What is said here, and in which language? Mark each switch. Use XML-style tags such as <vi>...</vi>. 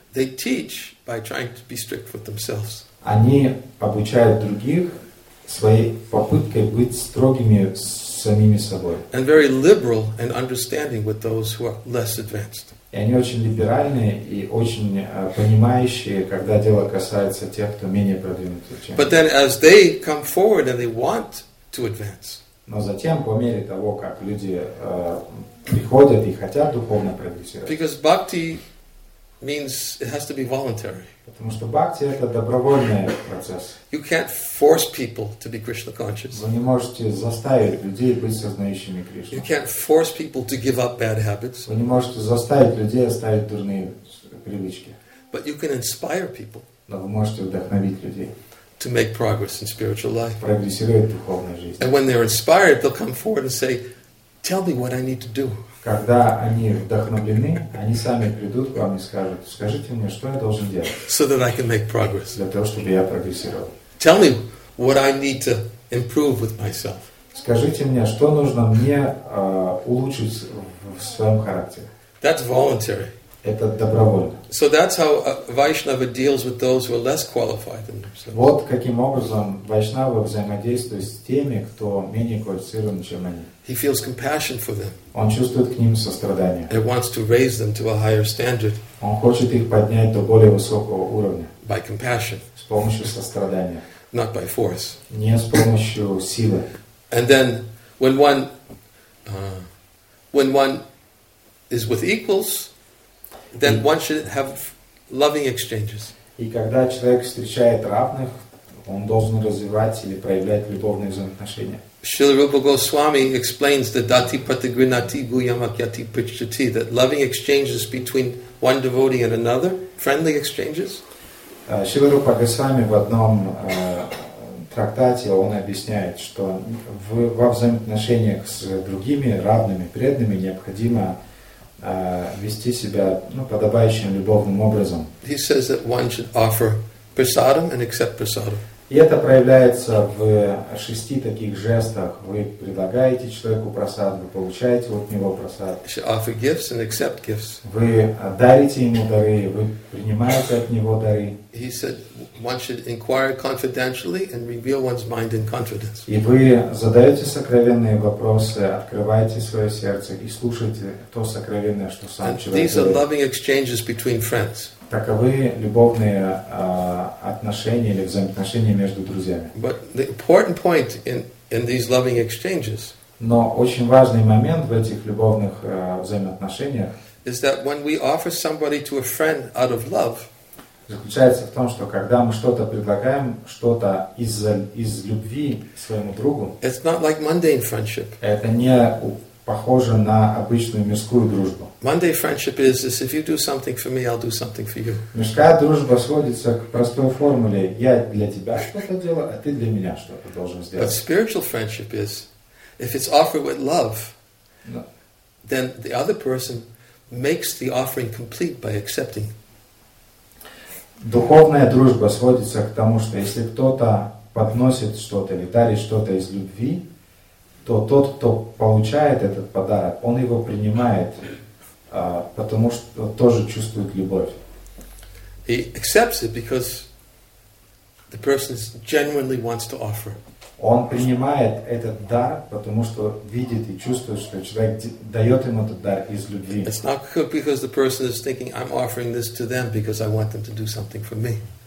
<en>They teach by trying to be strict with themselves.</en> <ru>Они обучают других своей попыткой быть строгими с самими собой.</ru> <en>And very liberal and understanding with those who are less advanced.</en> <ru>И они очень либеральные и очень понимающие, когда дело касается тех, кто менее продвинутый.</ru> <en>But then as they come forward and they want to advance.</en> <ru>Но затем, по мере того, как люди приходят и хотят духовно прогрессировать.</ru> <en>Because bhakti means it has to be voluntary.</en> <ru>Потому что бхакти это добровольный процесс.</ru> <en>You can't force people to be Krishna conscious.</en> <ru>Вы не можете заставить людей быть сознающими Кришну.</ru> <en>You can't force people to give up bad habits.</en> <ru>Вы не можете заставить людей оставить дурные привычки.</ru> <en>But you can inspire people.</en> <ru>Но вы можете вдохновить людей.</ru> <en>To make progress in spiritual life.</en> <ru>Прогрессировать в духовной жизни.</ru> <en>And when they're inspired, they'll come forward and say, "Tell me what I need to do."</en> <ru>Когда они вдохновлены, они сами придут к вам и скажут: "Скажите мне, что я должен делать?"</ru> <en>So that I can make progress.</en> <ru>Для того, чтобы я прогрессировал.</ru> <en>Tell me what I need to improve with myself.</en> <ru>Скажите мне, что нужно мне улучшить в своем характере.</ru> <en>That's voluntary.</en> <ru>Это добровольно.</ru> <en>So that's how Vaishnava deals with those who are less qualified than themselves.</en> <ru>Вот каким образом Вайшнава взаимодействует с теми, кто менее квалифицирован, чем они.</ru> <en>He feels compassion for them.</en> <ru>Он чувствует к ним сострадание.</ru> <en>He wants to raise them to a higher standard.</en> <ru>Он хочет их поднять до более высокого уровня.</ru> <en>By compassion.</en> <ru>С помощью сострадания.</ru> <en>Not by force.</en> <ru>Не с помощью силы.</ru> <en>And then when one is with equals, then one should have loving exchanges.</en> <ru>И когда человек встречает равных, он должен развивать или проявлять любовные взаимоотношения.</ru> <en>Srila Rupa Goswami explains the</en> <sa>dati pratigrinati guyamakyati prichati,</sa> <en>that loving exchanges between one devotee and another, friendly exchanges.</en> <ru>Srila Rupa Goswami в одном трактате он объясняет, что во взаимоотношениях с другими равными преданными необходимо вести себя подобающим любовным образом.</ru> <en>He says that one should offer prasadam and accept prasadam.</en> <ru>И это проявляется в шести таких жестах. Вы предлагаете человеку просад, вы получаете от него просад.</ru> <en>You should offer gifts and accept gifts.</en> <ru>Вы дарите ему дары, вы принимаете от него дары.</ru> <en>He said one should inquire confidentially and reveal one's mind in confidence.</en> <ru>И вы задаете сокровенные вопросы, открываете свое сердце и слушаете то сокровенное, что сам</ru> <en>and</en> <ru>человек</ru> <en>these</en> <ru>говорит.</ru> <en>Are loving exchanges between friends.</en> <ru>Таковы любовные отношения или взаимоотношения между друзьями.</ru> <en>But the important point in these loving exchanges.</en> <ru>Но очень важный момент в этих любовных взаимоотношениях.</ru> <en>Is that when we offer somebody to a friend out of love.</en> <ru>Заключается в том, что когда мы что-то предлагаем, что-то из любви своему другу.</ru> <en>It's not like mundane friendship.</en> <ru>Это не похоже на обычную мирскую дружбу.</ru> <en>Monday friendship is if you do something for me, I'll do something for you.</en> <ru>Мирская дружба сводится к простой формуле: я для тебя что-то делаю, а ты для меня что-то должен сделать.</ru> <en>But spiritual friendship is if it's offered with love, then the other person makes the offering complete by accepting.</en> <ru>Духовная дружба сводится к тому, что если кто-то подносит что-то или дарит что-то из любви, то тот, кто получает этот подарок, он его принимает, потому что тоже чувствует любовь.</ru> <en>He accepts it because the person genuinely wants to offer.</en> <ru>Он принимает этот дар, потому что видит и чувствует, что человек дает ему этот дар из любви.</ru> <en>It's not because the person is thinking, I'm offering this to them because I want them to do something for me.</en>